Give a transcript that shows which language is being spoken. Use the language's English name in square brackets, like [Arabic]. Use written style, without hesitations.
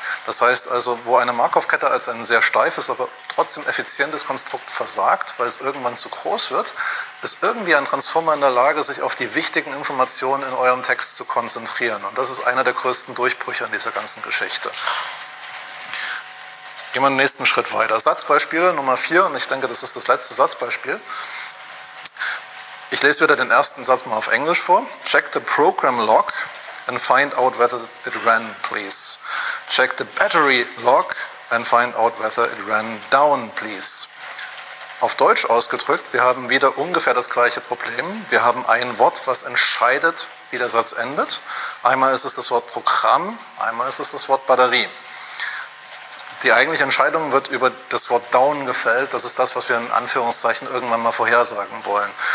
[German] Das heißt also, wo eine Markov-Kette als ein sehr steifes, aber trotzdem effizientes Konstrukt versagt, weil es irgendwann zu groß wird, ist irgendwie ein Transformer in der Lage, sich auf die wichtigen Informationen in eurem Text zu konzentrieren. Und das ist einer der größten Durchbrüche an dieser ganzen Geschichte. Gehen wir den nächsten Schritt weiter. Satzbeispiele Nummer 4, und ich denke, das ist das letzte Satzbeispiel. Ich lese wieder den ersten Satz mal auf Englisch vor. [English] Check the program log and find out whether it ran, please. Check the battery log and find out whether it ran down, please. [German] Auf Deutsch ausgedrückt, wir haben wieder ungefähr das gleiche Problem. Wir haben ein Wort, was entscheidet, wie der Satz endet. Einmal ist es das Wort Programm, einmal ist es das Wort Batterie. Die eigentliche Entscheidung wird über das Wort down gefällt. Das ist das, was wir in Anführungszeichen irgendwann mal vorhersagen wollen.